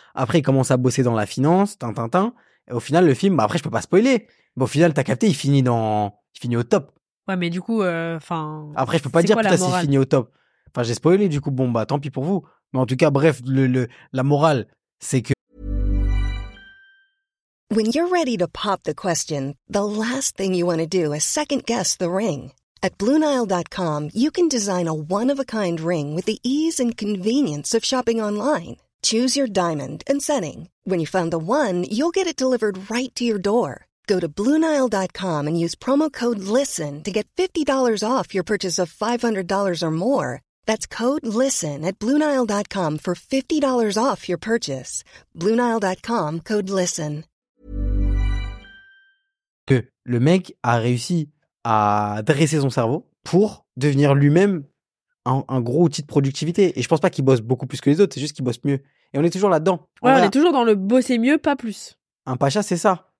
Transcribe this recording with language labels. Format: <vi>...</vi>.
<fr>Après, il commence à bosser dans la finance, tintintin. Et au final, le film, bah après, je peux pas spoiler. Mais au final, t'as capté, il finit au top. Ouais, mais du coup, enfin. Après, je peux pas dire, putain, s'il finit au top. Enfin, j'ai spoilé, du coup, bon, bah, tant pis pour vous. Mais en tout cas, bref, la morale, c'est que.</fr> <en>When you're ready to pop the question, the last thing you want to do is second guess the ring. At BlueNile.com, you can design a one-of-a-kind ring with the ease and convenience of shopping online. Choose your diamond and setting. When you find the one, you'll get it delivered right to your door. Go to BlueNile.com and use promo code LISTEN to get $50 off your purchase of $500 or more. That's code LISTEN at BlueNile.com for $50 off your purchase. BlueNile.com, code LISTEN.</en> <fr>Que le mec a réussi à dresser son cerveau pour devenir lui-même un gros outil de productivité. Et je pense pas qu'il bosse beaucoup plus que les autres, c'est juste qu'il bosse mieux. Et on est toujours là-dedans. Ouais, on est toujours dans le bosser mieux, pas plus. Un pacha, c'est ça.</fr>